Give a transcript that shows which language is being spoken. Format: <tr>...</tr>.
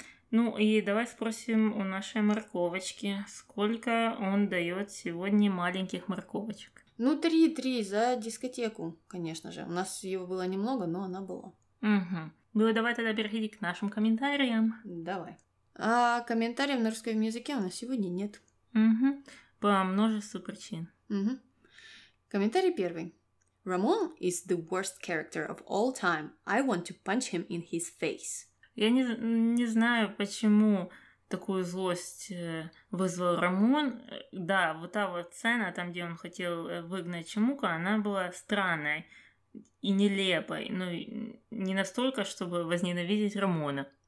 <ru>Ну и давай спросим у нашей морковочки, сколько он дает сегодня маленьких морковочек? Ну, 3-3 за дискотеку, конечно же. У нас его было немного, но она была. Угу. Ну, давай тогда переходи к нашим комментариям. Давай. А комментариев на русском языке у нас сегодня нет. Угу. По множеству причин. Угу. Комментарий первый.</ru> <en>Рамон is the worst character of all time. I want to punch him in his face.</en> <ru>Я не знаю, почему такую злость вызвал Рамон. Да, вот та вот сцена, там, где он хотел выгнать Чемука, она была странной и нелепой. Ну, не настолько, чтобы возненавидеть Рамона.</ru>